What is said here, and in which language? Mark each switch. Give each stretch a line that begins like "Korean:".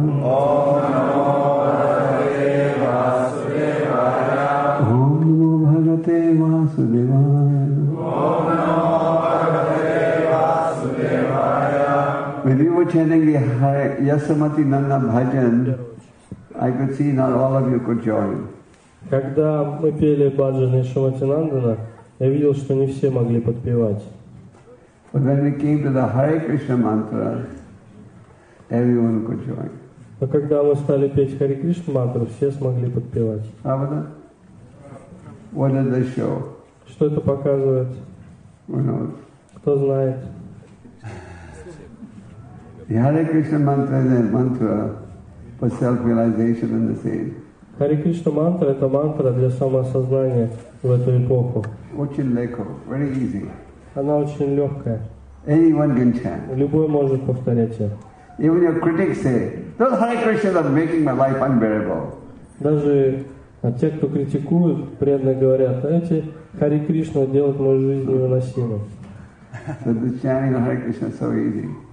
Sanskrit: Ом намо Бхагавате Васудевая. Ом намо Бхагавате Васудевая. Ом намо Бхагавате Васудевая.
English: When we were chanting the Yasamati Nanda Bhajan, I could see not all of you could join.
Russian: Когда мы пели баджаны Шримати Нандана, я видел, что не все могли подпевать.
English: But when we came to the Hare Krishna mantra, everyone could join.
Russian: Но когда мы стали петь Hare Krishna мантру, все смогли подпевать. Правда?
English: What does this show?
Russian: Что это показывает?
English: Who knows?
Russian: Кто знает?
English: The Hare Krishna mantra is a mantra for self-realization in this age.
Russian: Hare Krishna mantra – это мантра для самоосознания в эту эпоху. Очень легко,
English: very easy.
Russian: Она очень легкая.
English: Anyone can chant.
Russian: Любой может повторять ее.
English: Even your critics say, those Hare Krishnas are making my life unbearable.
Russian: Даже те, кто критикуют, преданные говорят, эти Hare Krishna делают мою жизнь невыносимой.
English: So the chanting of Hare Krishna is so easy.